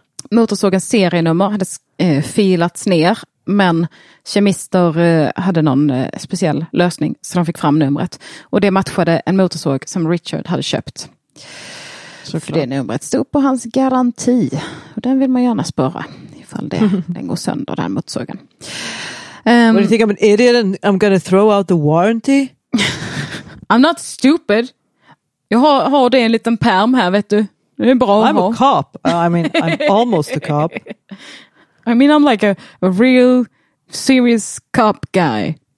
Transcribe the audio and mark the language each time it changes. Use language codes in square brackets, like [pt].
[sv] Motorsågens serienummer hade filats ner, men kemister hade någon speciell lösning så de fick fram numret. Och det matchade en motorsåg som Richard hade köpt. Såklart. För det numret stod på hans garanti. Och den vill man gärna spöra ifall det, den går sönder, den motorsågen. [en] What do you think, I'm an idiot and I'm gonna throw out the warranty? I'm not stupid. [sv] Jag har det en liten perm här, vet du. Det är bra att [en] I'm [sv] ha. [en] A cop. I mean, I'm almost a cop. I mean, I'm like a real serious cop guy.